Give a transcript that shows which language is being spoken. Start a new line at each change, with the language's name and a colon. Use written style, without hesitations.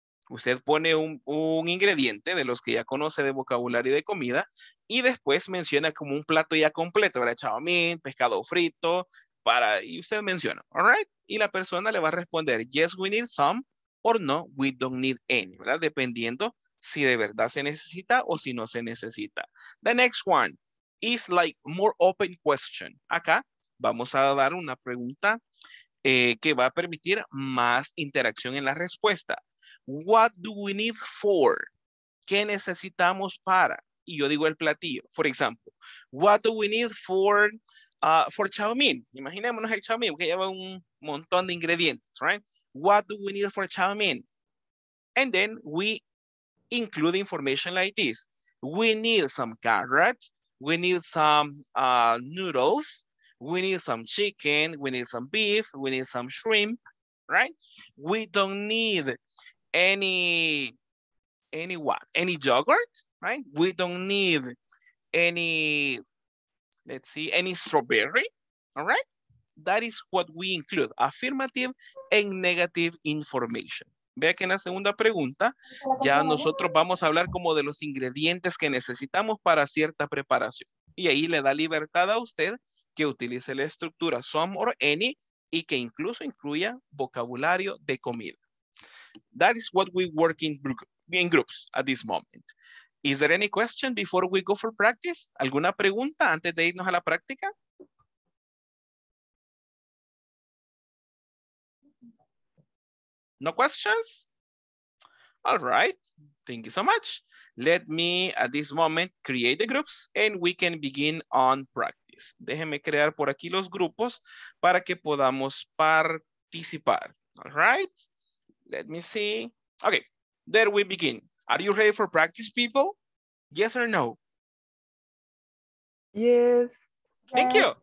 Spanish: Usted pone un ingrediente de los que ya conoce de vocabulario de comida y después menciona como un plato ya completo, ¿verdad? Chow mein, pescado frito, para, y usted menciona,
English: all right?
Spanish: Y la persona le va a responder,
English: yes, we need some, or no, we don't need any,
Spanish: ¿verdad? Dependiendo si de verdad se necesita o si no se necesita.
English: The next one is like more open question.
Spanish: Acá vamos a dar una pregunta que va a permitir más interacción en la respuesta.
English: What do we need for?
Spanish: ¿Qué necesitamos para? Y yo digo el platillo.
English: For example, what do we need for chow mein?
Spanish: Imaginémonos el chow mein, que lleva un montón de ingredientes,
English: right? What do we need for chow mein? And then we include information like this. We need some carrots. We need some noodles. We need some chicken. We need some beef. We need some shrimp, right? We don't need any what? Any yogurt, right? We don't need any, let's see, any strawberry, all right? That is what we include, affirmative and negative information.
Spanish: Vea que en la segunda pregunta, ya nosotros vamos a hablar como de los ingredientes que necesitamos para cierta preparación. Y ahí le da libertad a usted que utilice la estructura some or any y que incluso incluya vocabulario de comida.
English: That is what we work in groups at this moment. Is there any question before we go for practice?
Spanish: ¿Alguna pregunta antes de irnos a la práctica?
English: No questions? All right. Thank you so much. Let me, at this moment, create the groups and we can begin on practice.
Spanish: Déjenme crear por aquí los grupos para que podamos participar.
English: All right. Let me see. Okay, there we begin. Are you ready for practice, people? Yes or no? Yes. Thank you.